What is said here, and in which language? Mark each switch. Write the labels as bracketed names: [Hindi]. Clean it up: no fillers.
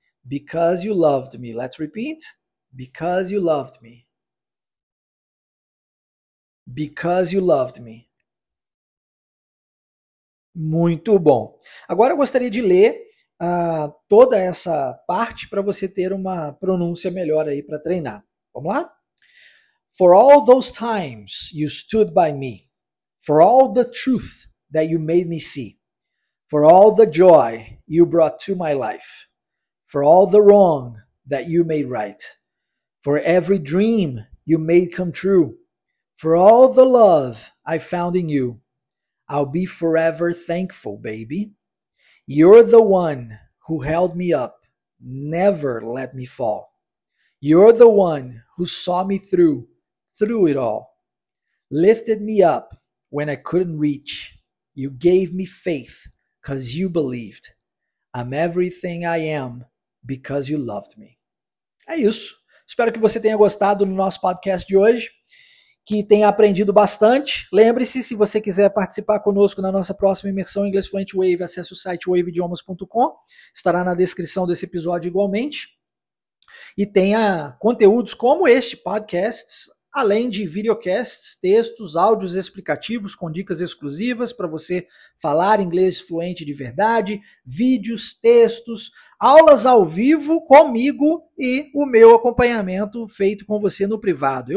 [English] Because you loved me. Let's repeat. Because you loved me. Because you loved me. [Portuguese] Muito bom. Agora eu gostaria de ler toda essa parte para você ter uma pronúncia melhor aí para treinar. Vamos lá? [English] For all those times you stood by me, for all the truth that you made me see, for all the joy you brought to my life, for all the wrong that you made right, for every dream you made come true. For all the love I found in you, I'll be forever thankful, baby. You're the one who held me up, never let me fall. You're the one who saw me through it all. Lifted me up when I couldn't reach. You gave me faith because you believed. I'm everything I am because you loved me. [Portuguese] É isso. Espero que você tenha gostado do nosso podcast de hoje, que tenha aprendido bastante. Lembre-se, se você quiser participar conosco na nossa próxima imersão em inglês fluente Wave, acesse o site waveidiomas.com. Estará na descrição desse episódio igualmente. E tenha conteúdos como este, podcasts, além de videocasts, textos, áudios explicativos com dicas exclusivas para você falar inglês fluente de verdade, vídeos, textos, aulas ao vivo comigo e o meu acompanhamento feito com você no privado.